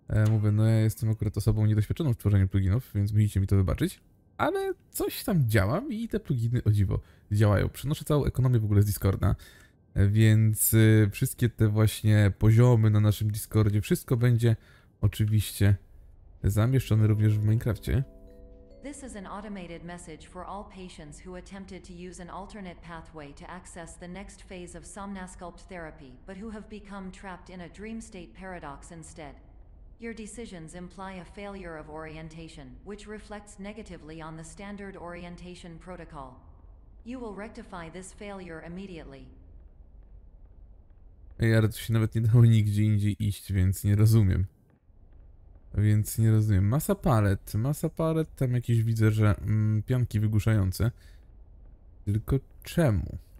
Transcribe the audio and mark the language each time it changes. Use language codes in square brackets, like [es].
[pl] Mówię, no ja jestem akurat osobą niedoświadczoną w tworzeniu pluginów, więc musicie mi to wybaczyć. Ale coś tam działa i te pluginy, o dziwo, działają. Przenoszę całą ekonomię w ogóle z Discorda, więc wszystkie te właśnie poziomy na naszym Discordzie, wszystko będzie oczywiście zamieszczone również w Minecrafcie. [en] This is an automated message for all patients who attempted to use an alternate pathway to access the next phase of Somnasculpt therapy, but who have become trapped in a dream state paradox instead. Your decisions imply a failure of orientation, which reflects negatively on the standard orientation protocol. You will rectify this failure immediately. [pl] Ej, ale to się nawet nie dało nigdzie indziej iść, więc nie rozumiem. Masa palet, tam jakieś widzę, że pianki wygłuszające. Tylko czemu?